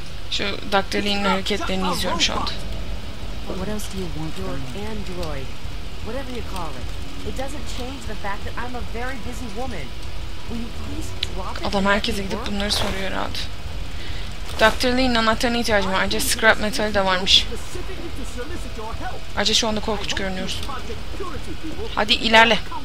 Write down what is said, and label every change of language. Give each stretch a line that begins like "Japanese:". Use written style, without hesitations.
Turkish: Şu Dr. Lee'nin hareketlerini izliyorum şu anda.
English: What else do you want? Your android, whatever you call it. It doesn't change the fact that I'm a very busy woman. Will you please drop it?
Turkish: Adam herkese gidip bunları soruyor rahat. Dr. Lee'nin anahtarına ihtiyacım var. Ayrıca scrap metal de varmış. Ayrıca şu anda korkunç görünüyoruz. Hadi ilerle.